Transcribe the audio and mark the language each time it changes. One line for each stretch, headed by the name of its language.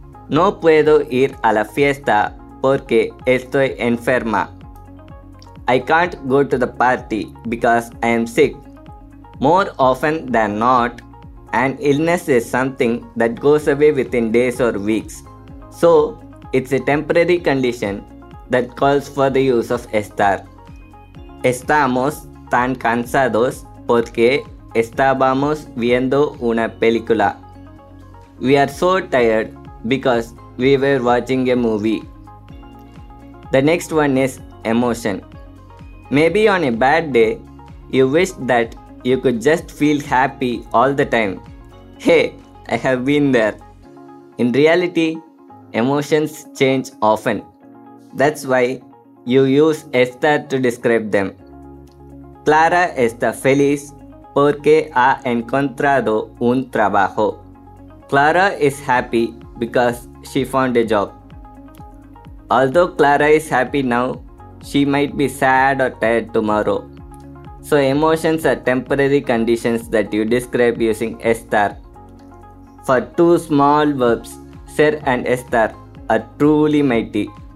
Spanish: No puedo ir a la fiesta porque estoy enferma.
English: I can't go to the party because I am sick. More often than not, an illness is something that goes away within days or weeks. So, it's a temporary condition that calls for the use of estar.
Spanish: Estamos tan cansados porque estábamos viendo una película.
English: We are so tired because we were watching a movie. The next one is emotion. Maybe on a bad day, you wish that you could just feel happy all the time. Hey, I have been there. In reality, emotions change often. That's why you use estar to describe them.
Spanish: Clara está feliz porque ha encontrado un trabajo.
English: Clara is happy because she found a job. Although Clara is happy now, she might be sad or tired tomorrow. So emotions are temporary conditions that you describe using estar. For two small verbs, ser and estar are truly mighty.